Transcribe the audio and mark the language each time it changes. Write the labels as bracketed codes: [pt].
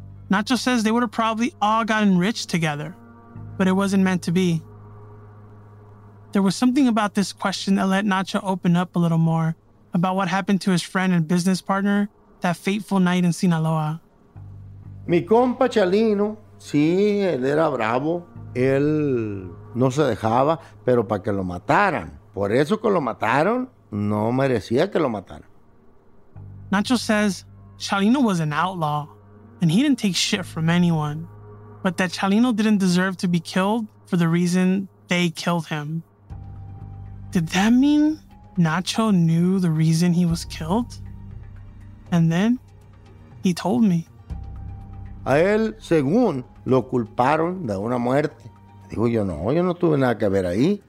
[en] Nacho says they would have probably all gotten rich together, but it wasn't meant to be. There was something about this question that let Nacho open up a little more about what happened to his friend and business partner that fateful night in Sinaloa. [es] Mi compa Chalino... Sí, él era bravo, él no se dejaba, pero para que lo mataran. Por eso que lo mataron, no merecía que lo mataran. [en] Nacho says Chalino was an outlaw, and he didn't take shit from anyone, but that Chalino didn't deserve to be killed for the reason they killed him. Did that mean Nacho knew the reason he was killed? And then he told me. [es] A él, según, lo culparon de una muerte. Digo, yo no tuve nada que ver ahí.